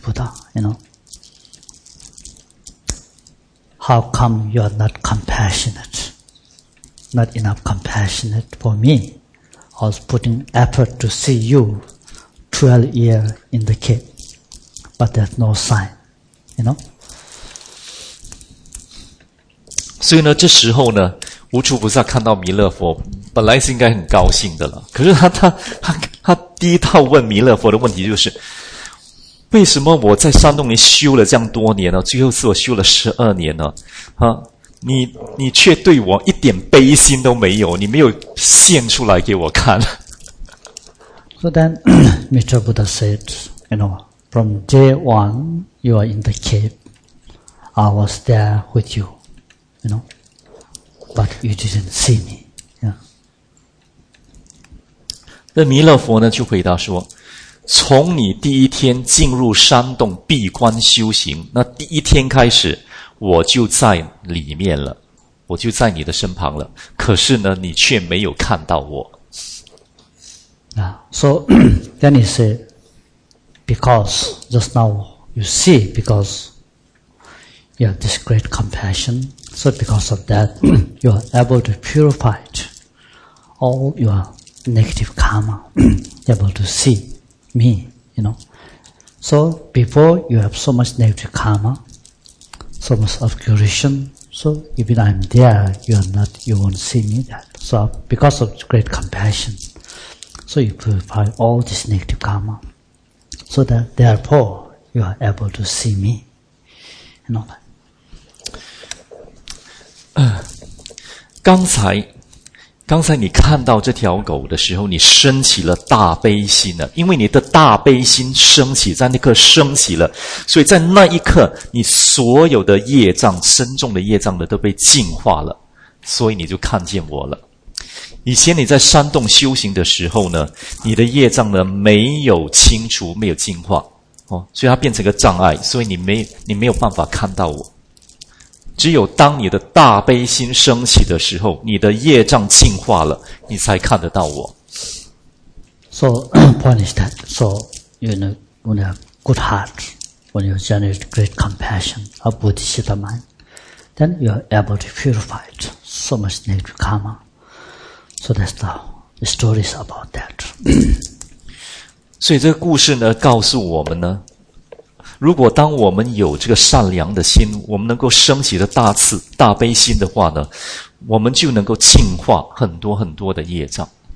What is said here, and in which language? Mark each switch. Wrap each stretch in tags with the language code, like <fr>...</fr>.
<en>Buddha, you know, how come you are not compassionate, not enough compassionate for me? I was putting effort to see you 12 years in the cave, but there's no sign, you know?</en> <zh>所以呢，这时候呢，无处不在看到弥勒佛，本来是应该很高兴的了。可是他第一套问弥勒佛的问题就是：为什么我在山洞里修了这样多年呢？最后是我修了十二年呢，啊，你却对我一点悲心都没有，你没有献出来给我看。</zh> <en>So then, Mr. Buddha said, "You know, from day one you are in the cave, I was there with you." You know, but you didn't see me. Yeah.</en> <zh>那弥勒佛呢就回答说：“从你第一天进入山洞闭关修行，那第一天开始，我就在里面了，我就在你的身旁了。可是呢，你却没有看到我。</zh> <en>Yeah. So then he said, because just now you see, because.” you have this great compassion. So because of that, you are able to purify all your negative karma. Able to see me, you know. So before you have so much negative karma, so much obscuration. So even I'm there, you are not. You won't see me that. So because of great compassion, so you purify all this negative karma. So that therefore you are able to see me, you know.</en> <zh>刚才你看到这条狗的时候，你升起了大悲心了，因为你的大悲心升起，在那刻升起了，所以在那一刻，你所有的业障，深重的业障的都被净化了，所以你就看见我了。以前你在山洞修行的时候呢，你的业障呢没有清除，没有净化，哦，所以它变成一个障碍，所以你没有办法看到我。只有当你的大悲心升起的时候，你的业障净化了，你才看得到我。</zh> <en>So, point is that, so, you know, when you have good heart, when you generate great compassion, a bodhicitta mind, then you are able to purify it, so much negative karma. So that's the story is about that.</en> <zh>所以这个故事呢，告诉我们呢，如果当我们有这个善良的心，我们能够升起的大慈大悲心的话呢，我们就能够净化很多很多的业障。</zh>